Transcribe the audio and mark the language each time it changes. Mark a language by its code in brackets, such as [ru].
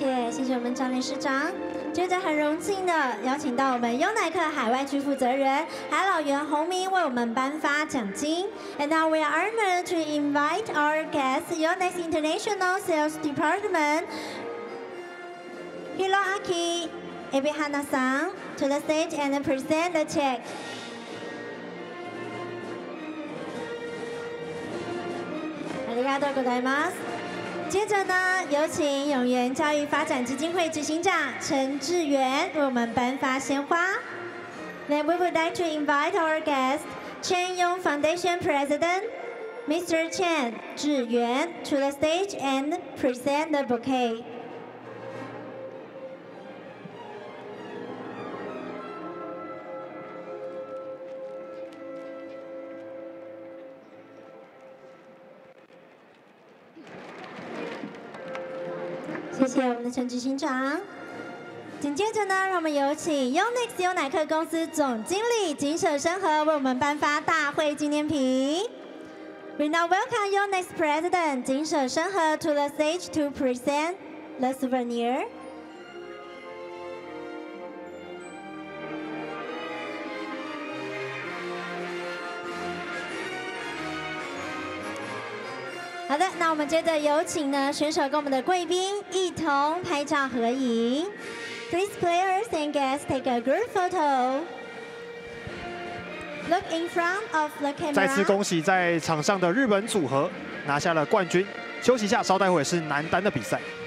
[zh] 谢谢我们张理事长，接着很荣幸的邀请到我们优乃克海外区负责人海老袁宏明为我们颁发奖金。 [en] And now we are honored to invite our guest, Yonex International Sales Department, Hiroaki Ebihana-san, to the stage and present the check. [ja] ありがとうございます。 [zh] 接着呢，有请永原教育发展基金会执行长陈志源为我们颁发鲜花。 [en] Then we would like to invite our guest, Chen Yong Foundation President, Mr. Chen 志源 to the stage and present the bouquet. [zh] 谢谢我们的陈执行长。紧接着呢，让我们有请 Yonex 优乃克公司总经理井舍生和为我们颁发大会纪念品。 [en] We now welcome Yonex President 井舍生和 to the stage to present the souvenir. [zh] 好的，那我们接着有请呢选手跟我们的贵宾一同拍照合影。 [en] Please players and guests take a group photo. Look in front of the camera. [zh] 再次恭喜在场上的日本组合拿下了冠军。休息一下，稍待会是男单的比赛。